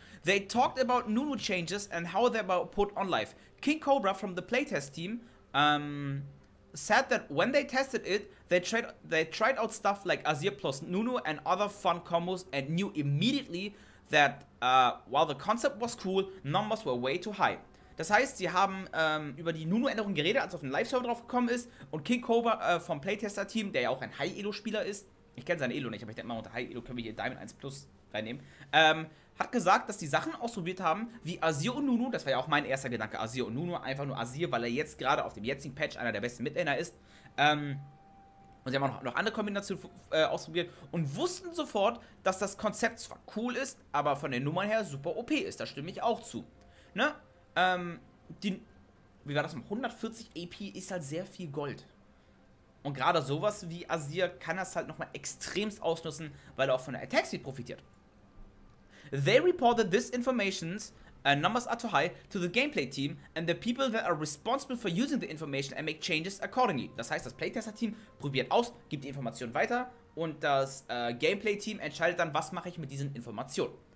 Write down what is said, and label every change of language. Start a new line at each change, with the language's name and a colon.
English: They talked about Nunu changes and how they were put on life. King Cobra from the playtest team said that when they tested it, they tried out stuff like Azir plus Nunu and other fun combos and knew immediately that while the concept was cool, numbers were way too high.
German: Das heißt, sie haben über die Nunu-Änderung geredet, als er auf den Live-Server drauf gekommen ist. Und King Cobra vom Playtester-Team, der ja auch ein High-Elo-Spieler ist, ich kenne seine Elo nicht, aber ich denke mal, unter High-Elo können wir hier Diamond 1 Plus reinnehmen, hat gesagt, dass die Sachen ausprobiert haben, wie Azir und Nunu, das war ja auch mein erster Gedanke, Azir und Nunu, einfach nur Azir, weil er jetzt gerade auf dem jetzigen Patch einer der besten Midlaner ist. Und sie haben auch noch andere Kombinationen ausprobiert und wussten sofort, dass das Konzept zwar cool ist, aber von den Nummern her super OP ist, da stimme ich auch zu. Ne? Wie war das? 140 AP ist halt sehr viel Gold. Und gerade sowas wie Azir kann das halt nochmal extremst ausnutzen, weil er auch von der Attack Speed profitiert.
English: They reported this information numbers are too high to the gameplay team and the people that are responsible for using the information and make changes accordingly.
German: Das heißt, das Playtester-Team probiert aus, gibt die Informationen weiter und das Gameplay-Team entscheidet dann, was mache ich mit diesen Informationen.